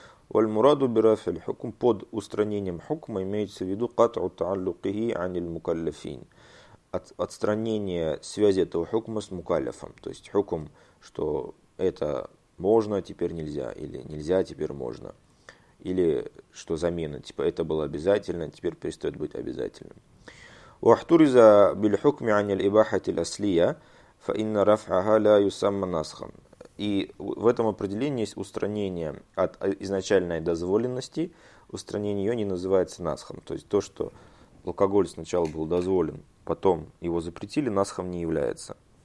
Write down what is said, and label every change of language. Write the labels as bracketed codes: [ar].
[ar] Валь-мураду бирафиль хукм, [ru] под устранением хукма имеется в виду [ar] кат'у та'аллюкихи аниль мукаллафин. [ru] Отстранение связи этого хукма с мукаллафом. То есть хукм, что это можно, теперь нельзя, или нельзя, теперь можно. Или что замена, типа это было обязательно, теперь перестает быть обязательным. [ar] واحترز بالحكم عن الإباحة الأصلية فإن رفعها لا يسمى نسخا. [ru] И в этом определении есть устранение от изначальной дозволенности, устранение ее не называется насхом. То есть то, что алкоголь сначала был дозволен, потом его запретили, насхом не является.